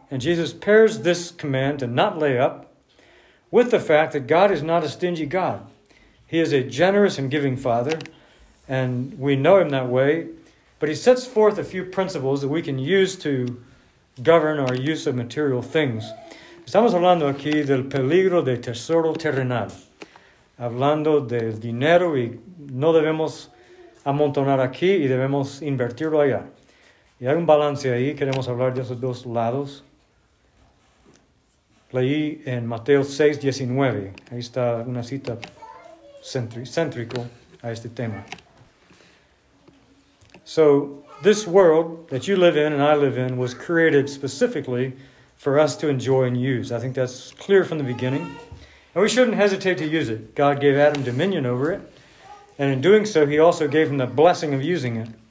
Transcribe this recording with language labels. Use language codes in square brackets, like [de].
[en] And Jesus pairs this command to not lay up with the fact that God is not a stingy God. He is a generous and giving Father. And we know him that way. But he sets forth a few principles that we can use to govern our use of material things. [es] Estamos hablando aquí del peligro de tesoro terrenal. Hablando del dinero y no debemos amontonar aquí y debemos invertirlo allá. Y hay un balance ahí, queremos hablar de esos dos lados. Leí en Mateo 6:19, ahí está una cita céntrico a este tema. [en] So, this world that you live in and I live in was created specifically for us to enjoy and use. I think that's clear from the beginning. And we shouldn't hesitate to use it. God gave Adam dominion over it. And in doing so, he also gave him the blessing of using it.